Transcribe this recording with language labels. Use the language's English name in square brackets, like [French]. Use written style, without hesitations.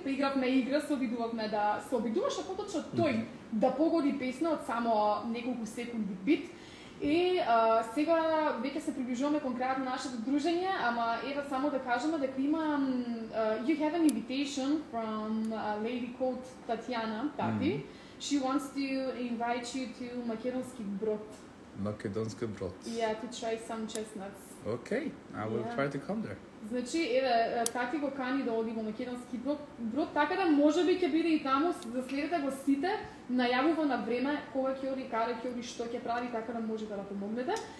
[Macedonian] Поигравме игра, се обидуваш, а поточно тој да погоди песна од само неколку секунди бит. И сега веќе се приближуваме кон крајот на нашето дружење, ама ева само да кажеме дека има [English] you have an invitation from a lady called Tatiana, Tati. Mm-hmm. She wants to invite you to Makedonski brod. Makedonski brod. Yeah, to try some chestnuts. Okay, I will try to come there. [Macedonian] Значи, еве, Тати го кани да оди во Македонски брод, така да можеби ќе биде и таму, заследете го сите, најавува на време кога ќе оди, каде ќе оди, што ќе прави, така да може да помогнете.